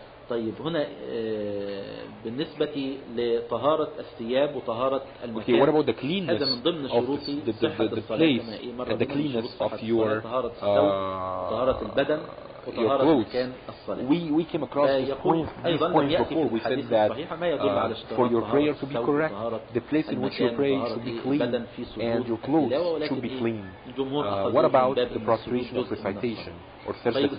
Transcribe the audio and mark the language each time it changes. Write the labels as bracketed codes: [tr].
[ar] طيب هنا بالنسبة لطهارة الثياب وطهارة المكان [en] okay, what about the cleanness [ar] هذا من ضمن شروط صحة الصلاة [en] and the cleanness of your [ar] طهارة البدن وطهارة مكان الصلاة [en] we came across this point before we said that for your prayer to be correct the place in which you pray should be clean and your clothes should be clean what about the prostration of recitation or سجدة التلاوة